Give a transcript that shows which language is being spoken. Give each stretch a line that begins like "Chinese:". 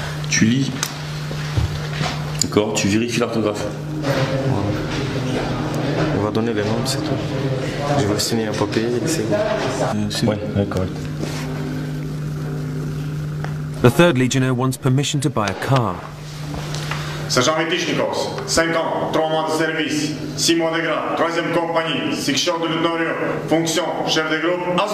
French: Tu lis, d'accord, tu vérifies l'orthographe. Ouais. On va donner les noms, c'est tout. Je vais signer un papier et c'est bon. Oui, d'accord.
English: The third legionnaire wants permission to buy a car.
French: Sergent Vitichnikovs, 5 ans, 3 mois de service, 6 mois de grade, 3e compagnie, section de l'honneur, fonction, chef de groupe, à son